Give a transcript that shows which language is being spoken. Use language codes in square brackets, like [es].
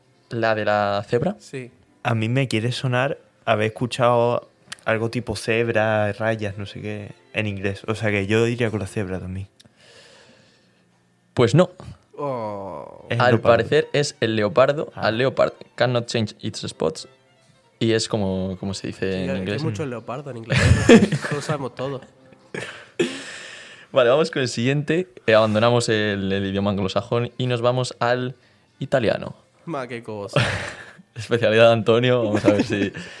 [es] ¿La de la cebra? Sí. A mí me quiere sonar haber escuchado algo tipo cebra, rayas, no sé qué, en inglés. O sea que yo diría con la cebra también. Pues no. Oh. Al parecer es el leopardo. Ah. [en] Al leopard cannot change its spots. [es] Y es como se dice en inglés. Hay mucho leopardo en inglés. Lo sabemos todo. Vale, vamos con el siguiente. Abandonamos el idioma anglosajón y nos vamos al italiano. Ma, qué cosa. Especialidad de Antonio. Vamos a ver si...